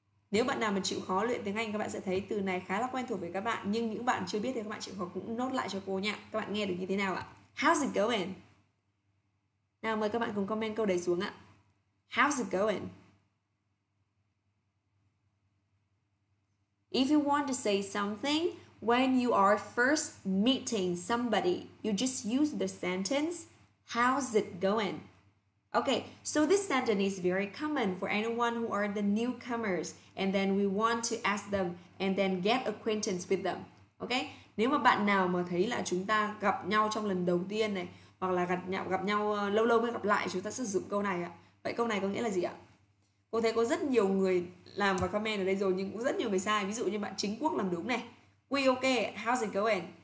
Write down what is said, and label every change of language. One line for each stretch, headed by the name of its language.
Vietnamese: Nếu bạn nào mà chịu khó luyện tiếng Anh, các bạn sẽ thấy từ này khá là quen thuộc với các bạn. Nhưng những bạn chưa biết thì các bạn chịu khó cũng nốt lại cho cô nha. Các bạn nghe được như thế nào ạ?
English: How's it going?
Vietnamese: Nào mời các bạn cùng comment câu đấy xuống ạ.
English: How's it going? If you want to say something when you are first meeting somebody, you just use the sentence, how's it going? Okay, so this sentence is very common for anyone who are the newcomers and then we want to ask them and then get acquaintance with them. Okay?
Vietnamese: Nếu mà bạn nào mà thấy là chúng ta gặp nhau trong lần đầu tiên này hoặc là gặp nhau lâu lâu mới gặp lại, chúng ta sẽ sử dụng câu này ạ. Vậy câu này có nghĩa là gì ạ? Cô thấy có rất nhiều người làm và comment ở đây rồi nhưng cũng rất nhiều người sai. Ví dụ như bạn Chính Quốc làm đúng này.
English: We okay, how's it going?